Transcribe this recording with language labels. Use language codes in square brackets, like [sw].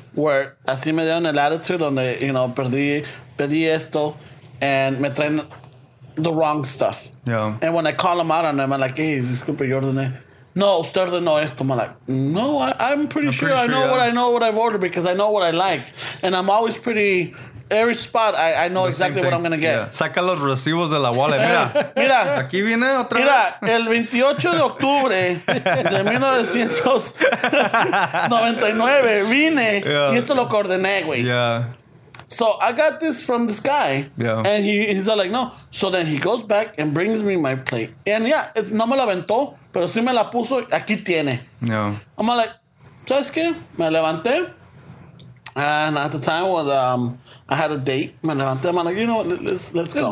[es] Where así me dieron el attitude donde, [en] you know, [es] pedí esto and me traen [en] the wrong stuff. Yeah. And when I call them out on them, I'm like, hey, [es] disculpe, yo ordené. No, usted ordenó esto. [en] I'm like, no, I'm pretty sure I know what I know what I've ordered because I know what I like. And I'm always pretty, every spot, I know the exactly what I'm going to get. Yeah. [es] Saca los recibos de la wallet. Mira. Mira. Aquí viene otra mira, vez. Mira, el 28 de octubre de 1999 vine y esto lo ordené, güey. [en] Yeah. So I got this from this guy, and he's all like, no. So then he goes back and brings me my plate. And yeah, it's [es] no me la aventó, pero sí me la puso, aquí tiene. No. [en] I'm like, [es] ¿sabes qué? Me levanté. [en] And at the time, I had a date. [es] Me levanté, [en] I'm like, you know what, let's go.